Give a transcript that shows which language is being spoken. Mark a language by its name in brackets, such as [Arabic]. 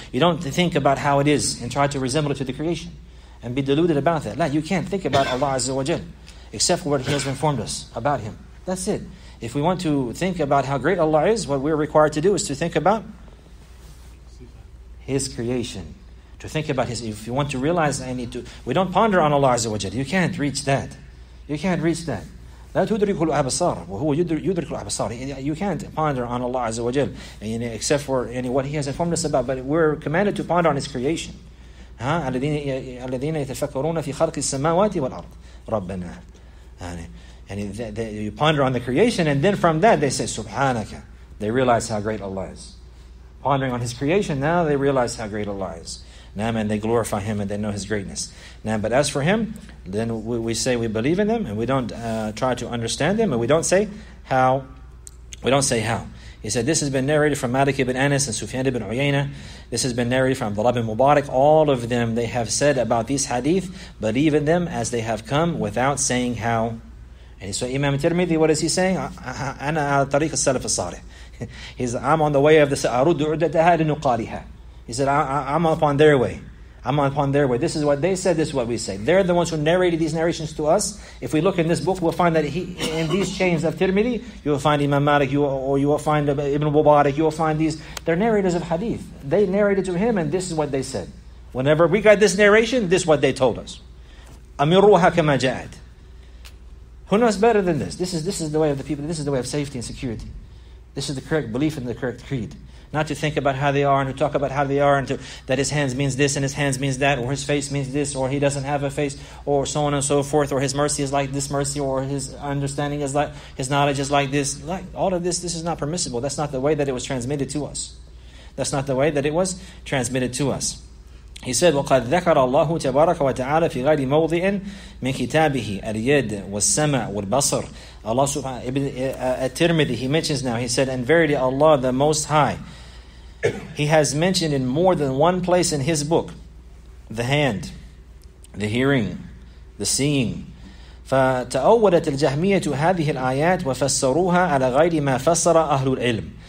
[English] You don't think about how it is and try to resemble it to the creation and be deluded about that. [Arabic] لا, [English] you can't think about Allah Azza wa Jal except for what he has informed us about him. That's it. If we want to think about how great Allah is, what we're required to do is to think about his creation. To think about his, if you want to realize, I need to, we don't ponder on Allah Azza wa Jal. You can't reach that. You can't reach that. [Arabic] لا تدرك الأبصار وهو يدرك الأبصار. [English] You can't ponder on Allah Azza wa Jal except for what he has informed us about. But we're commanded to ponder on his creation. [Arabic] الذين يتفكرون في خلق السماوات والأرض ربنا. [English] You ponder on the creation, and then from that they say [Arabic] سبحانك. [English] They realize how great Allah is. Pondering on his creation, now they realize how great Allah is. Naam, and they glorify him and they know his greatness. Naam, but as for him, then we say we believe in them, and we don't try to understand them, and we don't say how. We don't say how. He said, this has been narrated from Malik ibn Anas and Sufyan ibn Uyayna. This has been narrated from Abdullah ibn Mubarak. All of them, they have said about these hadith, believe in them as they have come without saying how. And so Imam Tirmidhi, what is he saying? [Arabic] أنا على طريق السلف الصالح. [English] He says, I'm on the way of the أرد عدتها لنقالها. He said, I'm upon their way. I'm upon their way. This is what they said, this is what we say. They're the ones who narrated these narrations to us. If we look in this book, we'll find that in these chains of Tirmidhi, you'll find Imam Malik, you will find Ibn Mubarak, you'll find these. They're narrators of hadith. They narrated to him, and this is what they said. Whenever we got this narration, this is what they told us. [Arabic] أمروها كما جاءت. [English] Who knows better than this? This is the way of the people. This is the way of safety and security. This is the correct belief in the correct creed. Not to think about how they are and to talk about how they are and to, that his hands means this and his hands means that, or his face means this, or he doesn't have a face, or so on and so forth, or his mercy is like this mercy, or his understanding is like, his knowledge is like this. Like all of this, this is not permissible. That's not the way that it was transmitted to us. That's not the way that it was transmitted to us. He said, [Arabic] وَقَدْ ذَكَرَ اللَّهُ تَبَارَكَ وَتَعَالَى فِي غَيْرِ مَوْضِئٍ مِنْ كِتَابِهِ الْيَدِ وَالسَّمَعِ وَالْبَصَرِ. [English] Allah subhanahu wa ta'ala, At-Tirmidhi, he mentions now, he said, and verily Allah the Most High, he has mentioned in more than one place in his book, the hand, the hearing, the seeing. [Arabic] فَتَأَوَّلَتِ الْجَهْمِيَةُ هَذِهِ الْآيَاتِ وَفَسَّرُوهَا عَلَى غَيْرِ مَا فَسَّرَ أَهْلُ الْعِلْمِ.